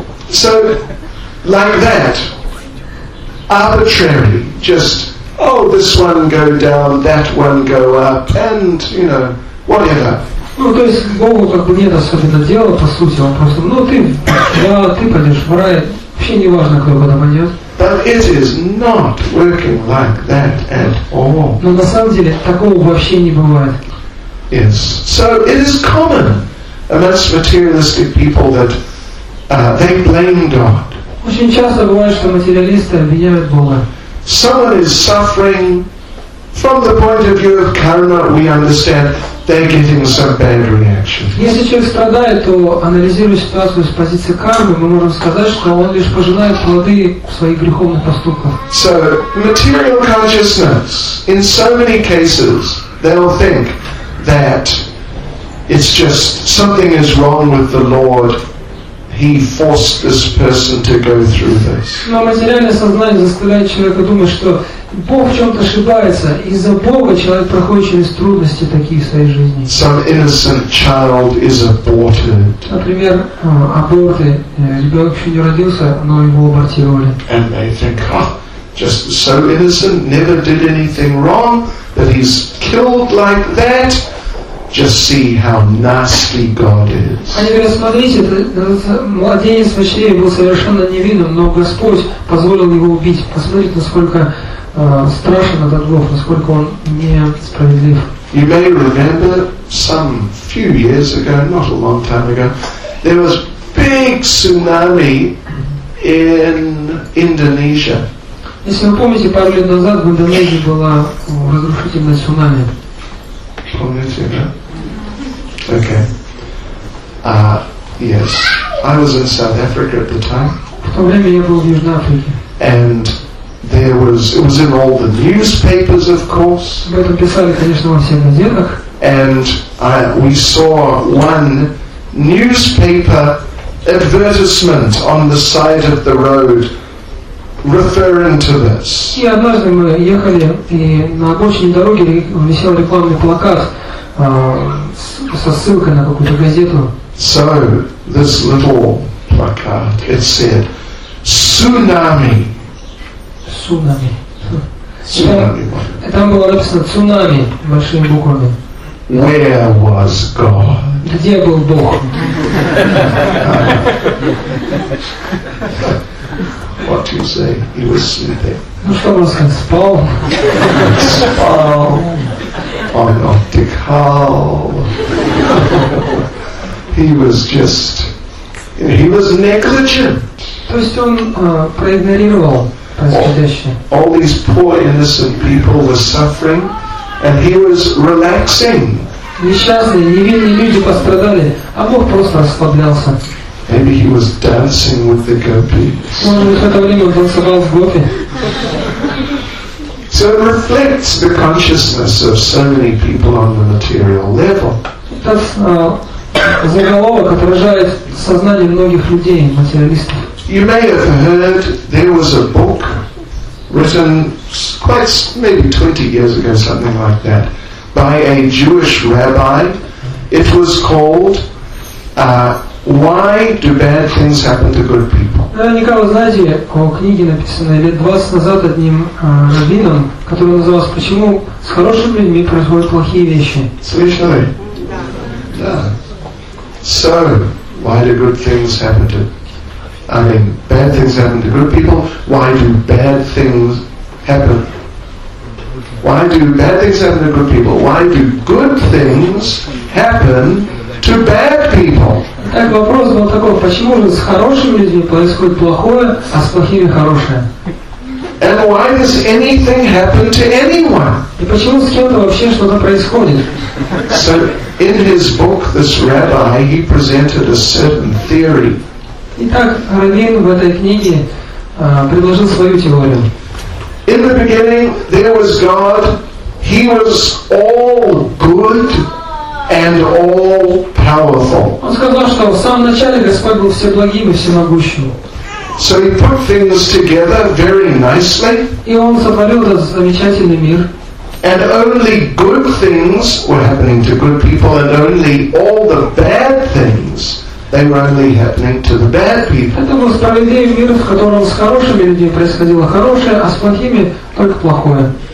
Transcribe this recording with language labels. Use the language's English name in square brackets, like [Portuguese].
[English] So, like that, arbitrary, just, oh, this one go down, that one go up, and, you know, whatever. [Russian] Ну, то есть, Богу как бы нет особенно дела, по сути, он просто, ну, ты пойдешь в рай, вообще не важно, кто куда пойдет. [English] But it is not working like that at all. [Russian] Но на самом деле такого вообще не бывает. [English] Yes. So it is common amongst materialistic people that they blame God. [Russian] Очень часто бывает, что материалисты обвиняют Бога. [English] Someone is suffering from the point of view of karma, we understand they're getting some bad reaction. [Russian] Если человек страдает, то анализируя ситуацию с позиции кармы, мы можем сказать, что он лишь пожинает плоды своих греховных поступков. [English] So material consciousness, in so many cases, they'll think that it's just something is wrong with the Lord, he forced this person to go through this. [Russian] Но материальное сознание заставляет человека думать, что Бог в чем-то ошибается. Из-за Бога человек проходит через трудности такие в своей жизни. [English] Some innocent child is aborted. [Russian] Например, аборты. Ребенок еще не родился, но его абортировали. [English] And they think, oh, just so innocent, never did anything wrong, that he's killed like that. Just see how nasty God is. [Russian] Они говорят, смотрите, младенец в чреве был совершенно невинным, но Господь позволил его убить. Посмотрите, насколько страшен этот Бог, насколько он несправедлив. [English] You may remember some few years ago, not a long time ago, there was big tsunami in Indonesia. [Russian] Если вы помните, пару лет назад в Индонезии была разрушительная цунами. Помните, да? [English] Okay. Yes. I was in South Africa at the time. [Russian] В то время я был в Южной Африке. [English] And it was in all the newspapers, of course. [Russian] Об этом писали, конечно, во всех газетах. [English] And we saw one newspaper advertisement on the side of the road referring to this. [Russian] И однажды мы ехали, и на обочине дороги висел рекламный плакат. Со ссылкой на какую-то газету. [English] So this little placard, it said tsunami. Tsunami. Tsunami. [Russian] Там было написано цунами большими буквами. [English] Where was God? [Russian] Где был Бог? [English] What do you say? He was sleeping. [Russian] Ну что он сказал? Спал. Спал. On Optic Hall. [English] he was negligent. [Russian] То есть он проигнорировал происходящее. [English] All these poor innocent people were suffering, and he was relaxing. [Russian] Несчастные, невинные люди пострадали, а Бог просто расслаблялся. [English] Maybe he was dancing with the gopis. [Russian] Может быть, в это время он танцевал с гопи. [English] So it reflects the consciousness of so many people on the material level. [Russian] Этот заголовок отражает сознание многих людей, материалистов. [English] You may have heard there was a book written quite maybe 20 years ago, something like that, by a Jewish rabbi. It was called Why Do Bad Things Happen to Good People? [Russian] Наверняка вы знаете о книге, написанной лет 20 назад одним раввином, которая называлась «Почему с хорошими людьми происходят плохие вещи?» Смешно? Да. [English] So, why do good things happen to... I mean, bad things happen to good people. Why do bad things happen... Why do bad things happen to good people? Why do good things happen to bad people? [Russian] Так, вопрос был такой, почему же с хорошими людьми происходит плохое, а с плохими хорошее? [English] And why does anything happen to anyone? [Russian] И почему с кем-то вообще что-то происходит? [English] So, in his book, this rabbi, he presented a certain theory. [Russian] Итак, раввин в этой книге предложил свою теорию. [English] In the beginning, there was God, he was all good, and all powerful. [Russian] Он сказал, что в самом начале Господь был всеблагим и всемогущим. [English] So he put things together very nicely. [Russian] И он сотворил этот замечательный мир. [English] And only good things were happening to good people, and only all the bad things, they were only happening to the bad people. [Russian] Это был справедливый мир, в котором с хорошими людьми происходило хорошее, а с плохими только плохое.